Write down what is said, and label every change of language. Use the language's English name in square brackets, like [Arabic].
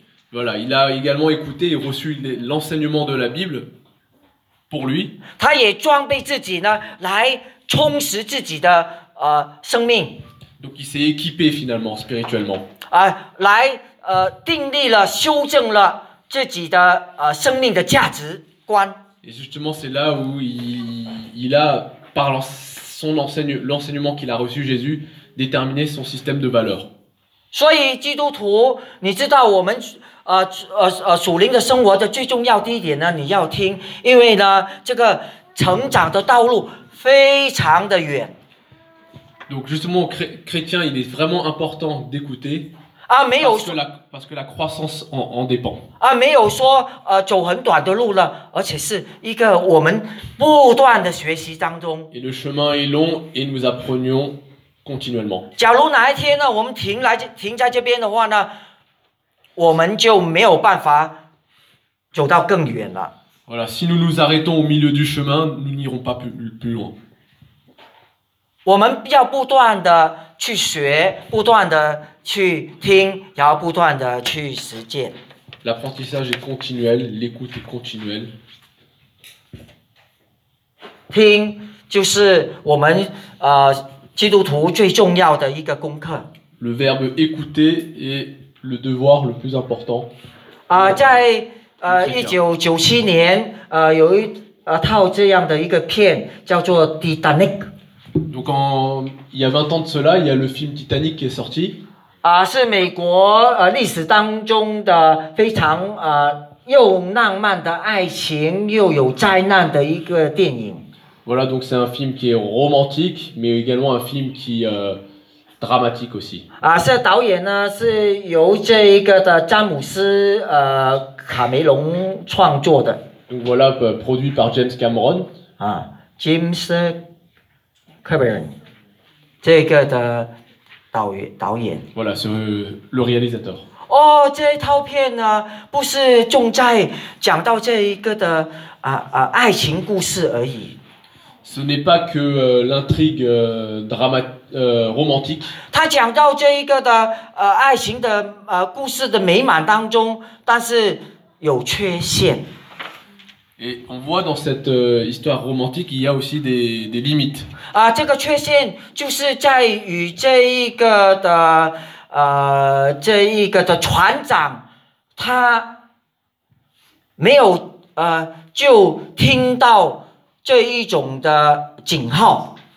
[French] Voilà, il a également écouté et reçu l'enseignement de la Bible. Pour lui, [Chinese] 他也装备自己呢，来充实自己的生命。 [French] Donc il s'est équipé finalement spirituellement. [Chinese] 啊，来定立了、修正了自己的生命的价值观。 [French] Et justement, c'est là où il a, par l'enseignement qu'il a reçu Jésus, déterminé son système de valeurs. [Chinese] 所以基督徒，你知道我们。属灵的生活的最重要的一点呢，你要听，因为呢，这个成长的道路非常的远。 [French] Donc justement, chrétien, il est vraiment important d'écouter. [Chinese] 啊，没有说 [French] parce que la croissance en dépend. [Chinese] 啊，没有说走很短的路了，而且是一个我们不断的学习当中。 [French] Et le chemin est long et nous apprenons continuellement. [Chinese] 假如哪一天呢，我们停在这边的话呢？我们就没有办法走到更远了。 [French] Voilà, si nous nous arrêtons au milieu du chemin, nous n'irons pas plus loin. [Chinese] 我们要不断的去学，不断的去听，然后不断的去实践。 [French] L'apprentissage est continuel, l'écoute est continuelle. [Chinese] 听就是我们基督徒最重要的一个功课。 [French] Le verbe écouter est le devoir le plus important. [Chinese] 在1997年有一套这样的一个片叫做 Titanic. [French] Donc en, il y a 20 ans de cela, il y a le film Titanic qui est sorti. [Chinese] 是美国历史当中的非常又浪漫的爱情又有灾难的一个电影。 [French] Voilà, donc c'est un film qui est romantique, mais également un film qui dramatique aussi. [Chinese] 这导演呢是由这一个的詹姆斯卡梅隆创作的。 [French] Donc voilà, produit par James Cameron. [Chinese] James Cameron, 这个的导演导演。 [French] Voilà, c'est le réalisateur. [Chinese] 哦，这一套片呢，不是重在讲到这一个的爱情故事而已。 [French] Ce n'est pas que l'intrigue romantique. [Chinese] 他讲到这一个的爱情的故事的美满当中，但是有缺陷。 [French] Et on voit dans cette histoire romantique, il y a aussi des limites. [Chinese] 啊，这个缺陷就是在于这一个的这一个的船长，他没有就听到这一种的警号。